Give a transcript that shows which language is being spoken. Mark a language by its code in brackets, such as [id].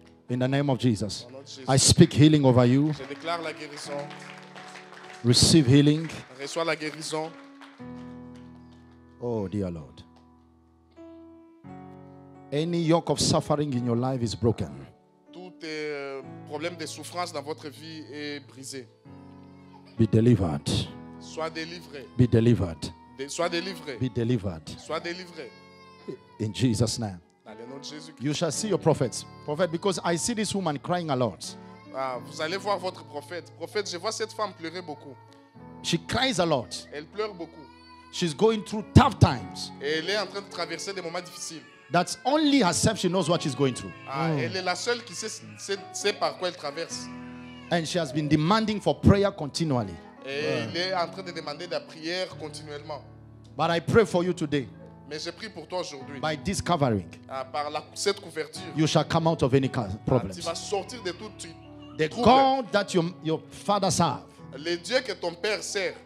[en] In the name of Jesus, I speak healing over you. [fr] Je déclare la guérison. [en] Receive healing. [fr] Reçois la guérison. [en] Oh, dear Lord. Any yoke of suffering in your life is broken. [fr] Tout problème de souffrance dans votre vie est brisé. [en] Be delivered. [fr] Sois délivré. [en] Be delivered. [fr] Sois délivré. [en] Be delivered. [fr] Sois délivré. [en] In Jesus' name. You shall see your prophets. Prophet, because I see this woman crying a lot. [fr] Vous allez voir votre prophète. Prophète, je vois cette femme pleurer beaucoup. [en] She cries a lot. [fr] Elle pleure beaucoup. [en] She's going through tough times. [fr] Elle est en train de traverser des moments difficiles. [en] That's only herself she knows what she's going through. [fr] Elle est la seule qui sait par quoi elle traverse. [en] And she has been demanding for prayer continually. [fr] Elle est en train de demander de la prière continuellement. [en] But I pray for you today. [fr] Mais je prie pour toi aujourd'hui. [en] By this covering, [fr] par cette couverture, [en] you shall come out of any problems. [fr] Tu vas sortir de tout. [en] The God that your father serves, [fr] le Dieu que ton père sert,